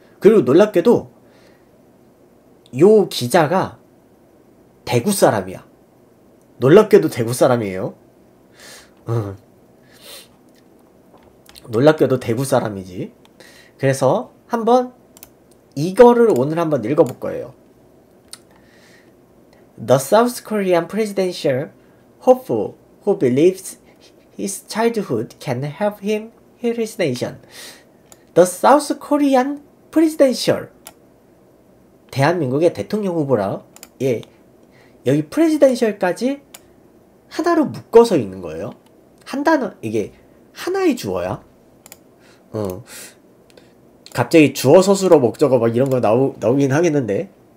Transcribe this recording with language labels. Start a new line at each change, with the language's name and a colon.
Korean: 그리고 놀랍게도 요 기자가 대구 사람이야. 놀랍게도 대구 사람이에요. 놀랍게도 대구 사람이지. 그래서 한번 이거를 오늘 한번 읽어볼 거예요.
English: The South Korean presidential hopeful who believes his childhood can help him heal his nation. The South Korean presidential.
Korean: 대한민국의 대통령 후보라. 예. 여기 프레지던셜까지 하나로 묶어서 있는 거예요. 한 단어, 이게 하나의 주어야. 갑자기 주어 서술어 목적어 막 이런 거 나오긴 하겠는데.